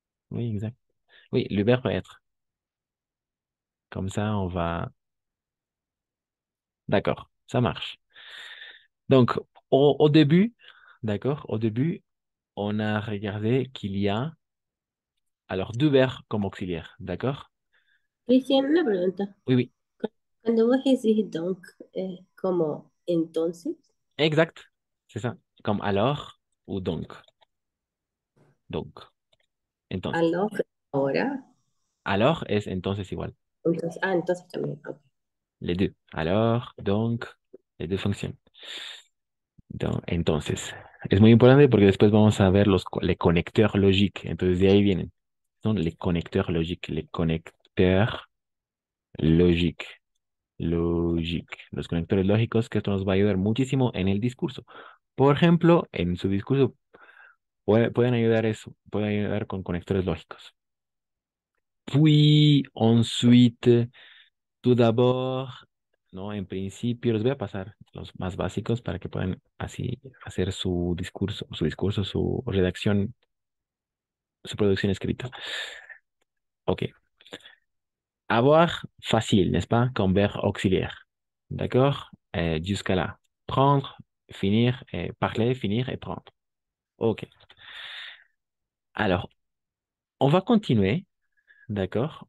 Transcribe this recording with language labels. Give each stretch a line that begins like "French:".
French: Oui, exact. Oui, le verbe être. Comme ça, on va... D'accord, ça marche. Donc, au début, d'accord, au début... On a regardé qu'il y a alors deux verbes comme auxiliaire, d'accord?
Spanish: Cristian, una pregunta.
French: Oui.
Spanish: Cuando vos decís donc, ¿cómo entonces?
French: Exact, c'est ça. Comme alors ou donc. Donc,
Spanish: entonces. ¿Alors, ahora? Alors es entonces igual. Entonces, ah, entonces también.
English: Okay.
French: Les deux. Alors, donc, les deux fonctionnent. Donc,
Spanish: entonces. Es muy importante porque después vamos a ver
French: les conecteurs logiques.
Spanish: Entonces, de ahí vienen.
French: Son les conecteurs logiques. Les conecteurs logiques. Logique.
Spanish: Los conectores lógicos, que esto nos va a ayudar muchísimo en el discurso. Por ejemplo, en su discurso pueden ayudar eso. Pueden ayudar con conectores lógicos.
French: Puis, ensuite, tout d'abord.
Spanish: No, en principio les voy a pasar los más básicos para que puedan así hacer su discurso, su redacción, su producción escrita.
English: Ok.
French: Avoir facile, n'est-ce pas? Comme verbe auxiliaire. D'accord? Jusqu'à là. Prendre, finir, et parler, finir et prendre. Ok. Alors, on va continuer. D'accord?